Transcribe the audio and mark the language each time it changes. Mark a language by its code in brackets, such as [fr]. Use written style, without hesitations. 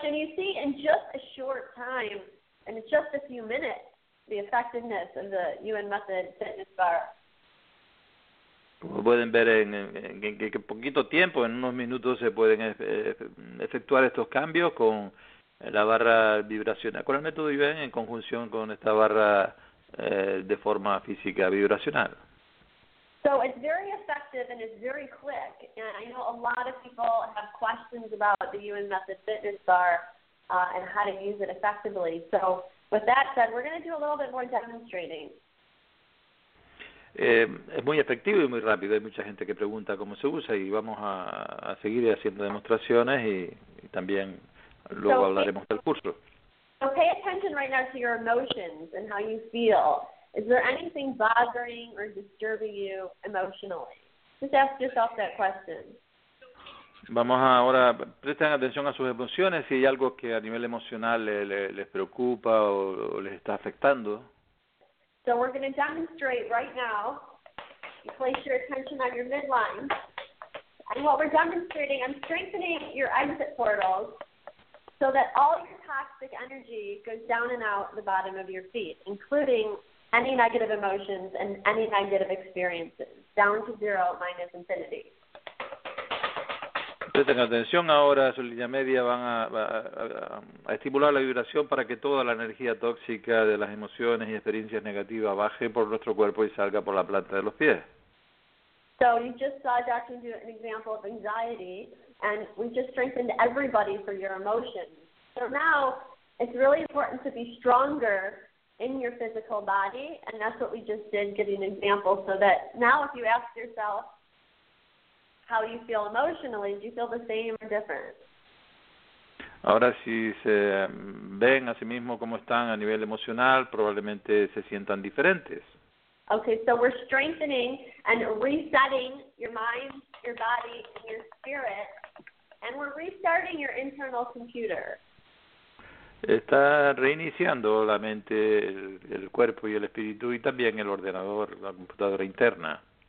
[en] And you see, in just a short time, and it's just a few minutes, the effectiveness of the UN Method Fitness Bar. [es] Como pueden ver, en poquito tiempo, en unos minutos, se pueden efectuar estos cambios con la barra vibracional, con el método IVEN en conjunción con esta barra de forma física vibracional. [en] So it's very effective and it's very quick. And I know a lot of people have questions about the UN Method Fitness Bar and how to use it effectively. So with that said, we're going to do a little bit more demonstrating. [es] Es muy efectivo y muy rápido. Hay mucha gente que pregunta cómo se usa y vamos a seguir haciendo demostraciones y también luego hablaremos del curso. [en] So pay attention right now to your emotions and how you feel. Is there anything bothering or disturbing you emotionally? Just ask yourself that question. [es] Vamos ahora, presten atención a sus emociones si hay algo que a nivel emocional les preocupa o les está afectando. [en] So we're going to demonstrate right now. You place your attention on your midline. And what we're demonstrating, I'm strengthening your exit portals so that all your toxic energy goes down and out the bottom of your feet, including any negative emotions and any negative experiences, down to zero minus infinity. [es] Presten atención ahora, su línea media van a estimular la vibración para que toda la energía tóxica de las emociones y experiencias negativas baje por nuestro cuerpo y salga por la planta de los pies. [en] So you just saw Dr. do an example of anxiety, and we just strengthened everybody for your emotions. So now it's really important to be stronger in your physical body, and that's what we just did, giving an example, so that now if you ask yourself, how you feel emotionally, do you feel the same or different? [es] Ahora si se ven a sí mismo cómo están a nivel emocional, probablemente se sientan diferentes. [en] Okay, so we're strengthening and resetting your mind, your body, and your spirit, and we're restarting your internal computer. [es] Está reiniciando la mente, el cuerpo y el espíritu, y también el ordenador, la computadora interna.